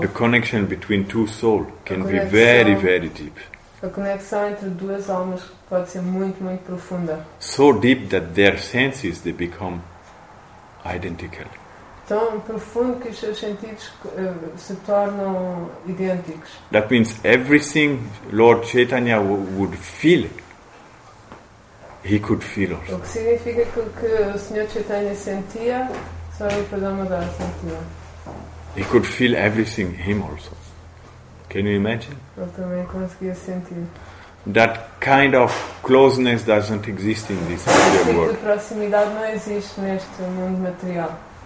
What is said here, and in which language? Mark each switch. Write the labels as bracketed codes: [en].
[en] the connection between two souls can be very, very deep. [pt] A conexão entre duas almas pode ser muito, muito profunda. [en] So deep that their senses they become identical. [pt] Tão profundo que os seus sentidos se tornam idênticos. [en] That means everything Lord Chaitanya would feel. He could feel also. [pt] O que significa que o Senhor Chaitanya sentia, só o Padamadara sentia. [en] He could feel everything, him also. Can you imagine? [pt] Ele também conseguia sentir. [en] That kind of closeness doesn't exist in this material world. [pt] Esse tipo de proximidade não existe neste mundo material.